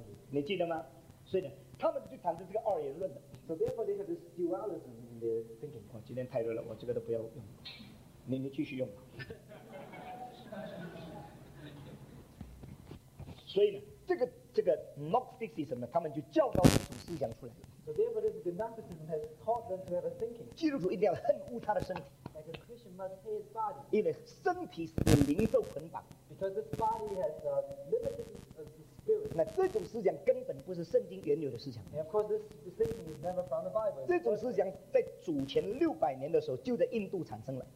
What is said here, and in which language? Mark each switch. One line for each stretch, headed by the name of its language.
Chinese: 你记得吗？所以呢，他们就谈着这个二元论的。
English: So therefore, they have this dualism in their thinking.
Chinese: 哦，今天太热了，我这个都不要用。你继续用。所以呢，这个 Gnosticism 呢，他们就教导一种思想出来了。
English: So therefore, this Gnosticism has taught them to have a thinking.
Chinese: 基督徒一定要恨恶他的身体。
English: Like a Christian must hate his body.
Chinese: 因为身体是灵受捆绑。
English: Because this body has a limited spirit.
Chinese: 那这种思想根本不是圣经原有的思想。
English: And of course, this thinking is never from the Bible.
Chinese: 这种思想在主前600年的时候就在印度产生了。